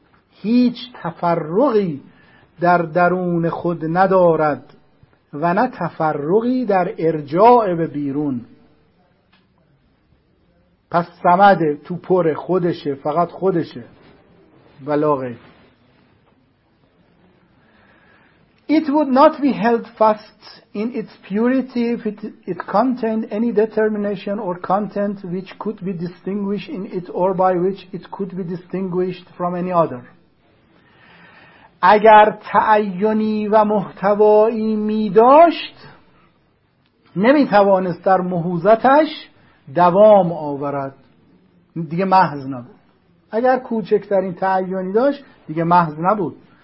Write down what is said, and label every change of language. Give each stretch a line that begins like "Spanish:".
Persian: هیچ تفرقی در درون خود ندارد و نه تفرقی در ارجاع به بیرون. پس سمده تو پر خودشه، فقط خودشه و لاغه.
English: It would not be held fast in its purity if it contained any determination or content which could be distinguished in it or by which it could be distinguished from any other.
Persian: اگر تعینی و محتوایی می داشت نمی توانست در محوزتش دوام آورد، دیگه محض نبود. اگر کوچکترین تعینی داشت دیگه محض نبود.